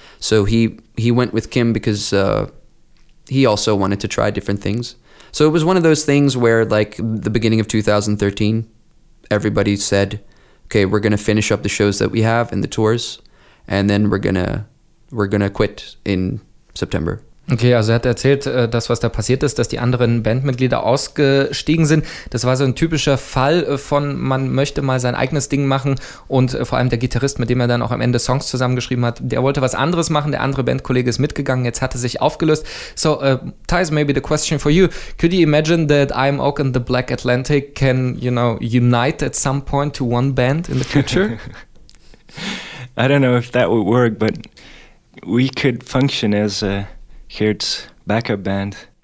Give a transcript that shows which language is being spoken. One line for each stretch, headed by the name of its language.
English: So he went with Kim because... he also wanted to try different things. So it was one of those things where, like, the beginning of 2013, everybody said, okay, we're going to finish up the shows that we have and the tours, and then we're gonna quit in September.
German: Okay, also er hat erzählt, das, was da passiert ist, dass die anderen Bandmitglieder ausgestiegen sind. Das war so ein typischer Fall von, man möchte mal sein eigenes Ding machen, und vor allem der Gitarrist, mit dem er dann auch am Ende Songs zusammengeschrieben hat, der wollte was anderes machen, der andere Bandkollege ist mitgegangen, jetzt hat er sich aufgelöst.
English: So, Thijs, maybe the question for you. Could you imagine that I Am Oak and the Black Atlantic can, you know, unite at some point to one band in the future? I don't know if that would work, but we could function as a Kurt's backup band.